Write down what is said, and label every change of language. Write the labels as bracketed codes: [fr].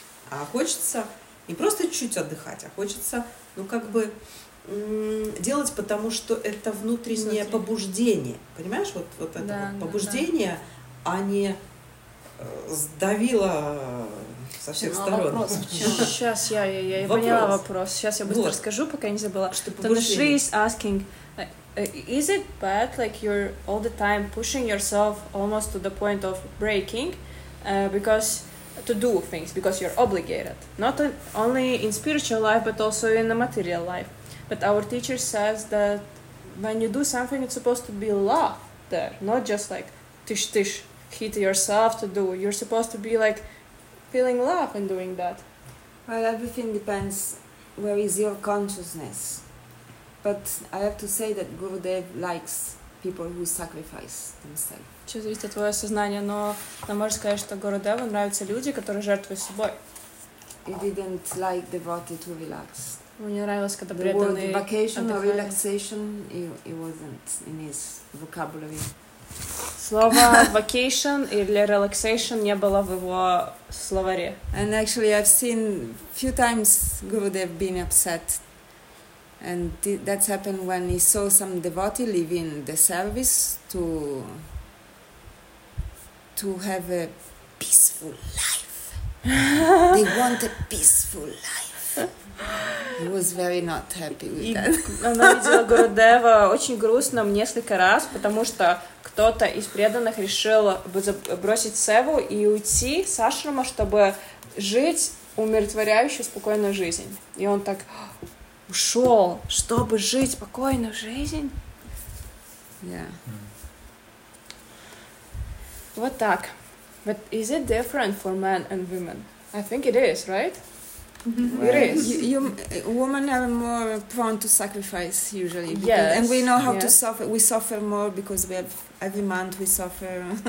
[ru] А хочется не просто чуть-чуть отдыхать, а хочется, ну как бы, делать, потому что это внутреннее побуждение. Понимаешь, вот это побуждение, а не сдавило... Со всех сторон. Вопрос. Сейчас я вопрос. Поняла вопрос. Сейчас я быстро расскажу, пока я не забыла. [en] She is asking, is it bad, like you're all the time pushing yourself almost to the point of breaking, because to do things, because you're obligated. Not only in spiritual life, but also in the material life. But our teacher says that when you do something, it's supposed to be love there, not just like tish, hit yourself to do. You're supposed to be like feeling love in doing that. Well, everything depends where is your consciousness. But I have to say that Gurudev likes people who sacrifice themselves. [ru] Что зависит от твоего сознания, но нам можно сказать, что Гурудеву нравятся люди, которые жертвуют собой. [en] He didn't like devotee to relax. [ru] Мне нравилось, когда преданные. [en] The word vacation or relaxation, it wasn't in his vocabulary. [ru] Слово vacation или relaxation не было в его словаре. [en] And actually I've seen few times Gurudev been upset. And that's happened when he saw some devotee leaving the service to have a peaceful life. They want a peaceful life. He was very not happy with that. [ru] Она видела Гурудева очень грустным несколько раз, потому что кто-то из преданных решил бросить севу и уйти с ашрама, чтобы жить умиротворяющую, спокойную жизнь. И он так ушел, чтобы жить спокойную жизнь. [en] Yeah. [ru] Вот так. [en] But is it different for men and women? I think it is, right? Well, it is. Women are more prone to sacrifice usually, because, yes, and we know how yes. to suffer. We suffer more because we have every month we suffer.